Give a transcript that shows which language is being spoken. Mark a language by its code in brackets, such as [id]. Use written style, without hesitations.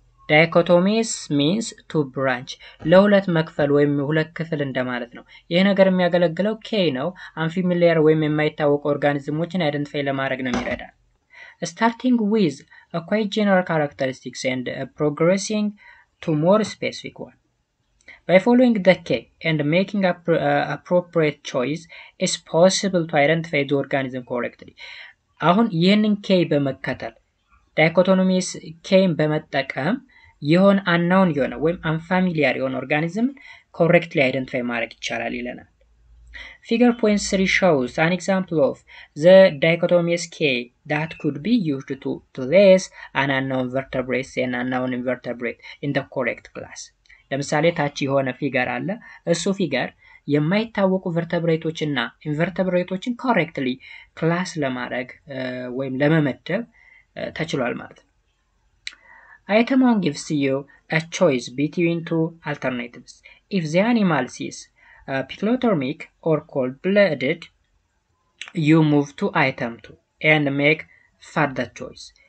[am] ዳይኮቶሚስ ሚንስ ቱ ብራንች፣ ለሁለት መክፈል ወይም ሁለት ክፍል እንደማለት ነው። ይህ ነገር የሚያገለግለው ኬ ነው። አንፋሚሊያር ወይም የማይታወቁ ኦርጋኒዝሞችን አይደንቲፋይ ለማድረግ ነው የሚረዳ። [en] ስታርቲንግ ዊዝ a quite general characteristics and progressing to more specific one. By following the key and making a appropriate choice, it's possible to identify the organism correctly. [am] አሁን ይህንን ኬ በመከተል ዳይኮቶኖሚስ ኬን በመጠቀም የሆን አናውን የሆነ ወይም አንፋሚሊያር የሆነ ኦርጋኒዝም ኮሬክትሊ አይደንቲፋይ ማድረግ ይቻላል ይለናል። [en] Figure 0.3 shows an example of the dichotomous key that could be used to place an unknown vertebrate and an unknown invertebrate in the correct class. [am] ለምሳሌ ታች የሆነ ፊገር አለ። እሱ ፊገር የማይታወቁ ቨርተብሬቶችና ኢንቨርተብሬቶችን ኮሬክትሊ ክላስ ለማድረግ ወይም ለመመደብ ተችሏል ማለት ነው። [en] Item 1 gives you a choice between two alternatives. If the animal is pilothermic or cold-blooded, you move to item 2 and make further choice.